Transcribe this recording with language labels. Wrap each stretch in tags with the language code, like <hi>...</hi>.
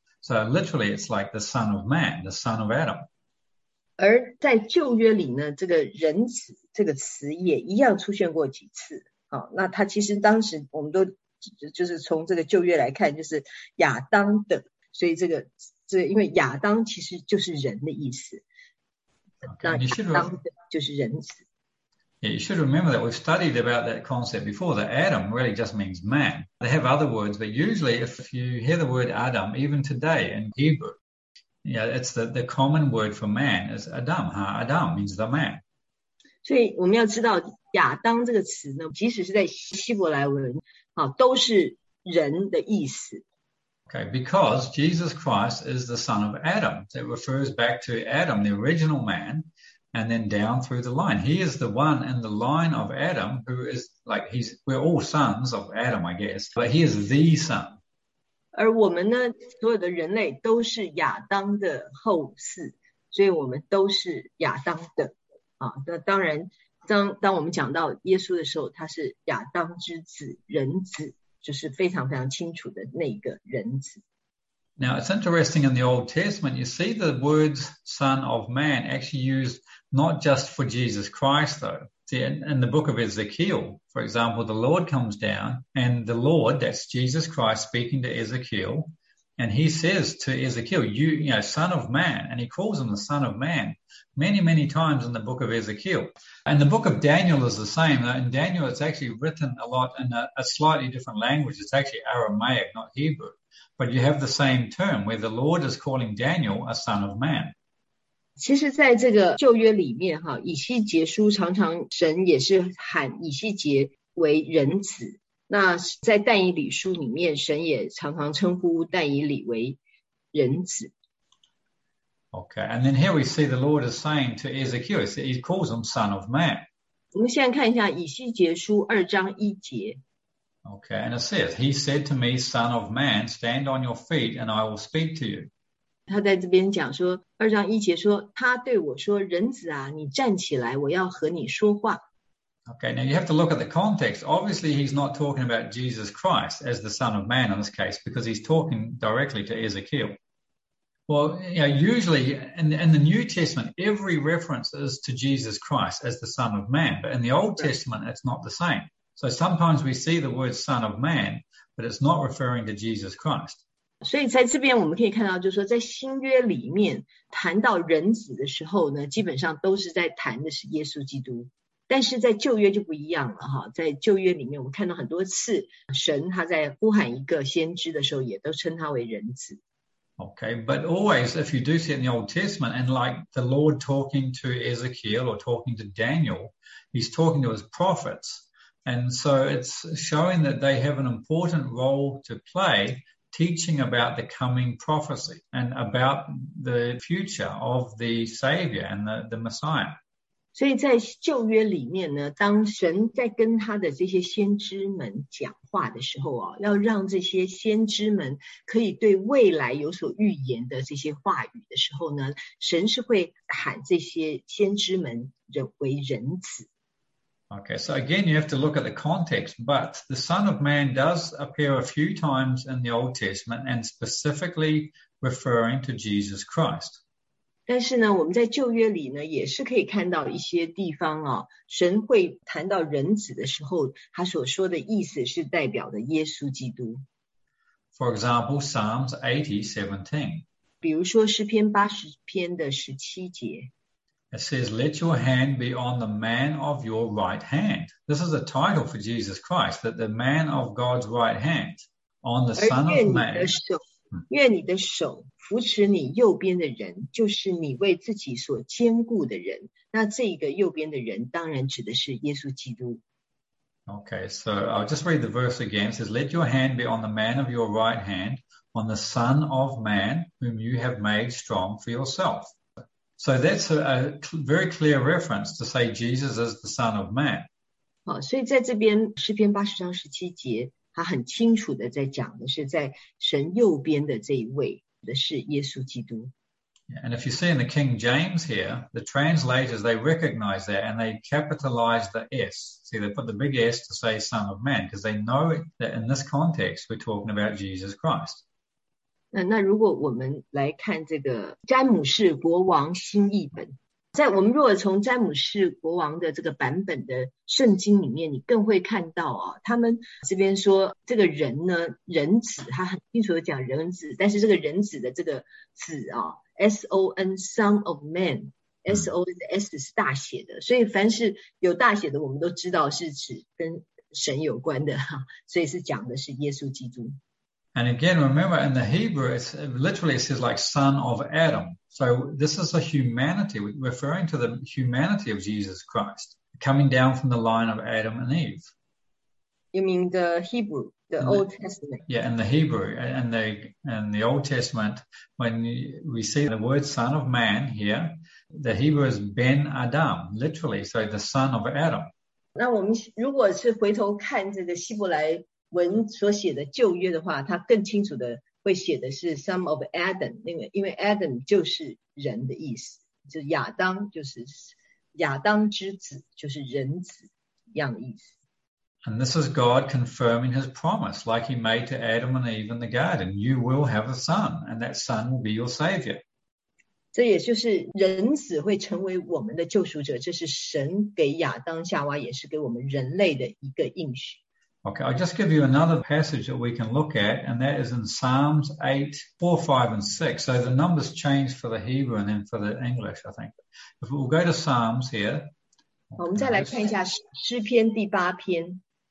<en>So literally, it's like the son of man, the son of Adam.</en> <zh>而在旧约里呢，这个人子这个词也一样出现过几次。好，那他其实当时我们都就是从这个旧约来看，就是亚当的，所以这个因为亚当其实就是人的意思，那</zh> <en>Okay, and</en> <zh>亚当的就是人子。</zh> <en>Yeah, you should remember that we've studied about that concept before, that Adam really just means man. They have other words, but usually if you hear the word Adam, even today in Hebrew, you know, it's the common word for man is Adam. Huh? Adam means the man.</en> <zh>所以我们要知道亚当这个词呢，即使是在希伯来文，啊，都是人的意思。</zh> <en>Okay, because Jesus Christ is the son of Adam. So it refers back to Adam, the original man, and then down through the line. He is the one in the line of Adam who is like, he's, we're all sons of Adam, I guess, but he is the son.</en> <zh>而我们呢，所有的人类都是亚当的后嗣，所以我们都是亚当的。啊，那当然，当我们讲到耶稣的时候，他是亚当之子，人子。就是非常非常清楚的那个人子。</zh> <en>Now, it's interesting in the Old Testament, you see the words son of man actually used not just for Jesus Christ, though. See, in the book of Ezekiel, for example, the Lord comes down, and the Lord, that's Jesus Christ speaking to Ezekiel, and he says to Ezekiel, you know, son of man, and he calls him the son of man many, many times in the book of Ezekiel. And the book of Daniel is the same. In Daniel, it's actually written a lot in a slightly different language. It's actually Aramaic, not Hebrew. But you have the same term where the Lord is calling Daniel a son of man.</en> <zh>其实在这个旧约里面，以西结书常常神也是喊以西结为人子。那在但以理书里面，神也常常称呼但以理为人子。</zh> <en>Okay, and then here we see the Lord is saying to Ezekiel, he calls him son of man.</en> <zh>我们现在看一下以西结书二章一节。</zh> <en>Okay, and it says, he said to me, son of man, stand on your feet and I will speak to you.</en> <zh>他在这边讲说，二章一节说，他对我说，人子啊，你站起来，我要和你说话。</zh> <en>Okay, now you have to look at the context. Obviously, he's not talking about Jesus Christ as the Son of Man in this case, because he's talking directly to Ezekiel. Well, you know, usually in the New Testament, every reference is to Jesus Christ as the Son of Man, but in the Old Testament, it's not the same. So sometimes we see the word Son of Man, but it's not referring to Jesus Christ.</en> <zh>所以在这边我们可以看到，就是说在新约里面谈到人子的时候呢，基本上都是在谈的是耶稣基督。但是在旧约就不一样了，在旧约里面我们看到很多次神他在呼喊一个先知的时候也都称他为人子。</zh> <en>Okay, but always if you do see it in the Old Testament and like the Lord talking to Ezekiel or talking to Daniel, he's talking to his prophets, and so it's showing that they have an important role to play teaching about the coming prophecy and about the future of the Savior and the Messiah。</en> <zh>所以在旧约里面呢，当神在跟他的这些先知们讲话的时候啊，要让这些先知们可以对未来有所预言的这些话语的时候呢，神是会喊这些先知们人为人子。</zh> <en>Okay, so again, you have to look at the context, but the Son of Man does appear a few times in the Old Testament and specifically referring to Jesus Christ.</en> <zh>但是呢，我们在旧约里呢，也是可以看到一些地方啊，神会谈到人子的时候，他所说的意思是代表的耶稣基督。</zh> <en>For example, Psalms 80:17.</en> <zh>比如说诗篇八十篇的十七节。</zh> <en>It says, "Let your hand be on the man of your right hand." This is a title for Jesus Christ, that the man of God's right hand, on the Son of Man.</en> <zh>愿你的手扶持你右边的人，就是你为自己所坚固的人。那这个右边的人当然指的是耶稣基督。</zh> <en>Okay, so I'll just read the verse again. It says, "Let your hand be on the man of your right hand, on the Son of Man, whom you have made strong for yourself." So that's a very clear reference to say Jesus is the Son of Man.</en> <zh>好，所以在这边诗篇八十章十七节，他很清楚的在讲的是在神右边的这一位的是耶稣基督。</zh> <en>And if you see in the King James here, the translators, they recognize that and they capitalize the S. See, they put the big S to say Son of Man, because they know that in this context, we're talking about Jesus Christ.</en> <zh>那如果我们来看这个詹姆士国王新译本，在我们如果从詹姆士国王的这个版本的圣经里面，你更会看到啊，他们这边说这个人呢，人子，他很清楚的讲人子，但是这个人子的这个子啊 ，</zh> <en>son of man，</en> <zh>SOS 是大写的，所以凡是有大写的我们都知道是指跟神有关的，所以是讲的是耶稣基督。</zh> <en>And again, remember in the Hebrew, it's, literally it says like son of Adam. So this is a humanity, referring to the humanity of Jesus Christ, coming down from the line of Adam and Eve. You mean the Hebrew, the Old Testament? Yeah, in the Hebrew and the Old Testament, when we see the word son of man here, the Hebrew is Ben Adam, literally, so the son of Adam.</en> <zh>那我们如果是回头看这个希伯来文所写的旧约的话，它更清楚的会写的是</zh> <en>Son of Adam，</en> <zh>那个因为 Adam 就是人的意思，就是亚当，就是亚当之子，就是人子一样的意思。</zh> <en>And this is God confirming His promise, like He made to Adam and Eve in the garden. You will have a son, and that son will be your savior.</en> <zh>这也就是人子会成为我们的救赎者，这是神给亚当夏娃，也是给我们人类的一个应许。</zh> <en>Okay, I'll just give you another passage that we can look at, and that is in Psalms 8, 4, 5, and 6. So the numbers change for the Hebrew and then for the English, I think. If we'll go to Psalms here.</en> <zh>我们再来看一下诗篇第八篇。</zh>